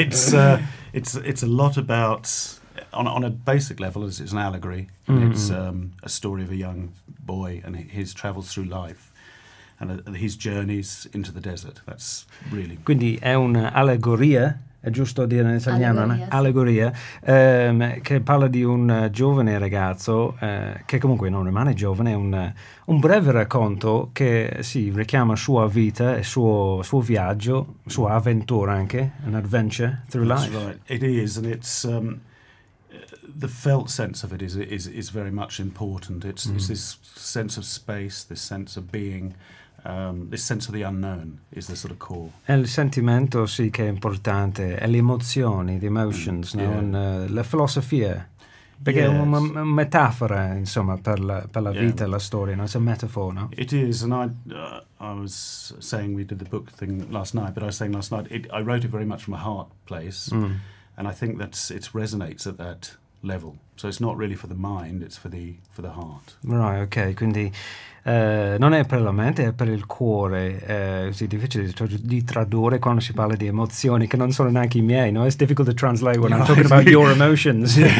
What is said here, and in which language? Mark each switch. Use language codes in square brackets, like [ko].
[en] it's a lot about, on a basic level, it's an allegory. Mm-hmm. And it's a story of a young boy and his travels through life. And his journeys into the desert. That's really. [it] Quindi è un'allegoria, è giusto dire in italiano, allegoria, allegoria, sì. Che parla di un giovane ragazzo che comunque non rimane giovane, è un breve racconto che si richiama sua vita, suo viaggio, sua avventura anche, [en] an adventure through That's life. That's right. It is, and it's the felt sense of it is very much important. It's, it's this sense of space, this sense of being. This sense of the unknown is the sort of core. [it] È il sentimento, sì, che è importante. È le emozioni, [en] the emotions, [it] la filosofia. Perché [en] yes. [it] È una metafora, insomma, per la vita, la storia, no? [en] It's a metaphor, no? It is, and I was saying we did the book thing last night, but I was saying last night, I wrote it very much from a heart place, and I think that it resonates at that level. So it's not really for the mind, it's for the heart. Right, okay, [it] quindi... non è per la mente, è per il cuore. Sì, è difficile di tradurre quando si parla di emozioni che non sono neanche i miei, no? [en] It's difficult to translate when I'm talking about your emotions.